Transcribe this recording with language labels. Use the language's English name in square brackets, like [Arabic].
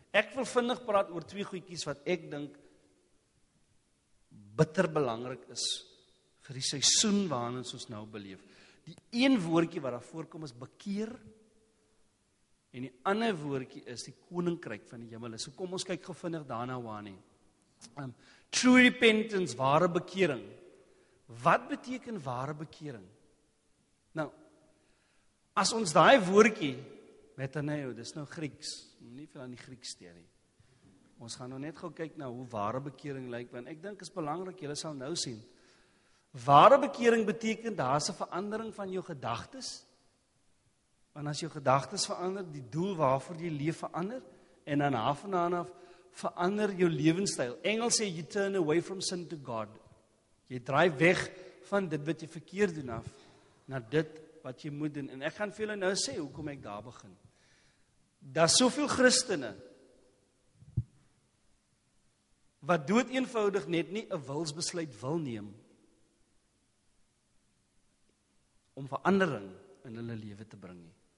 [Afrikaans] Ek wil vinnig praat oor twee goedjies wat ek dink bitter belangrik is vir die seisoen waarin ons nou beleef. Die een woordjie wat daar voorkom is bekeer, en die ander woordjie is die koninkryk van die hemel. So kom ons kyk gevindig daarna waarin. [English] True repentance, [Afrikaans] ware bekering. Wat beteken ware bekering? Nou, as ons daai woordjie metanoeo, dis nou Grieks, nie veel aan die Grieks steen nie. Ons gaan nou net gou kyk na hoe ware bekering lyk, want ek dink is belangrik, julle sal nou sien. Ware bekering beteken, daar is 'n verandering van jou gedagtes, want as jou gedagtes verander, die doel waarvoor jy leef verander, en dan af en aan af verander jou lewenstyl. Engels sê, [English] you turn away from sin to God. [Afrikaans] Jy draai weg van dit wat jy verkeerd doen af, na dit wat jy moet doen. En ek gaan vir julle nou sê, hoekom ek daar begin. Daar is soveel Christene, wat dood eenvoudig net nie 'n wilsbesluit wil neem om verandering in hulle lewe te bring nie.